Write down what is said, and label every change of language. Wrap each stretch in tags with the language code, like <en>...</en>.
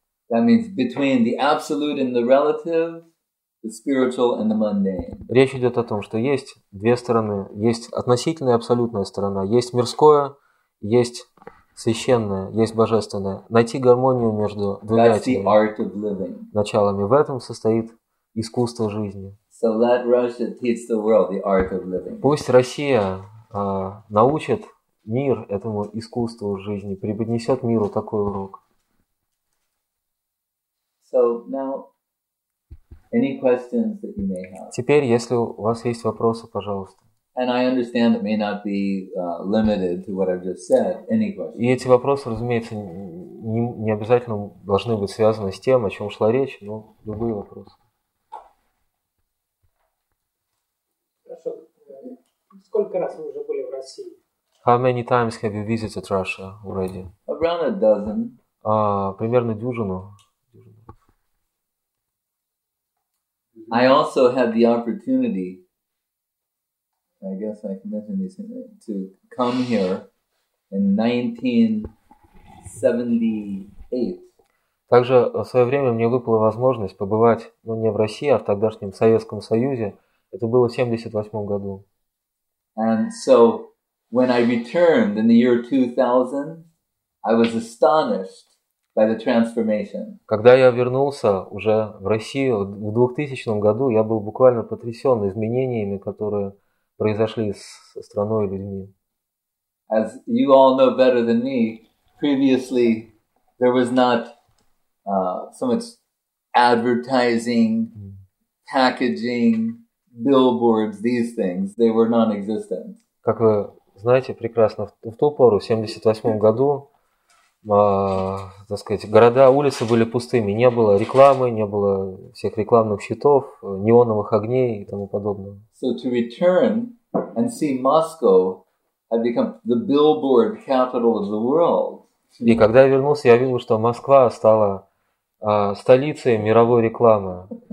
<en>That means between the absolute and the relative, the spiritual and the mundane.</en> <ru>Речь идет о том, что есть две стороны. Есть относительная и абсолютная сторона. Есть мирское, есть священное, есть божественное. Найти гармонию между двумя этими началами. В этом состоит искусство жизни.</ru> <en>So let Russia teach the world the art of living.</en> <ru>Пусть Россия научит мир этому искусству жизни, преподнесет миру такой урок.</ru> <en>So now, any questions that you may have?</en> <ru>Теперь, если у вас есть вопросы, пожалуйста.</ru> <en>And I understand it may not be limited to what I've just said. Any questions?</en> <ru>И эти вопросы, разумеется, не обязательно должны быть связаны с тем, о чем шла речь, но любые вопросы. Хорошо. Сколько раз вы уже были в России?</ru> <en>How many times have you visited Russia already? Around a dozen.</en> <ru>Примерно дюжину.</ru> <en>I also had the opportunity, I guess I can mention this, to come here in 1978.</en> <ru>Также в свое время мне выпала возможность побывать, ну не в России, а в тогдашнем Советском Союзе. Это было в 78 году.</ru> <en>And so when I returned in the year 2000, I was astonished by the transformation.</en> <ru>Когда я вернулся уже в Россию в 2000 году, я был буквально потрясен изменениями, которые произошли со страной и людьми.</ru> <en>As you all know better than me, previously there was not so much advertising, packaging, billboards, these things. They were non-existent.</en> <ru>Как вы знаете прекрасно, в ту пору, в 78 году, так сказать, города, улицы были пустыми. Не было рекламы, не было всех рекламных щитов, неоновых огней и тому подобное.</ru> <en>So to return and see Moscow had become the billboard capital of the world.</en> <ru>И когда я вернулся, я видел, что Москва стала столицей мировой рекламы.</ru>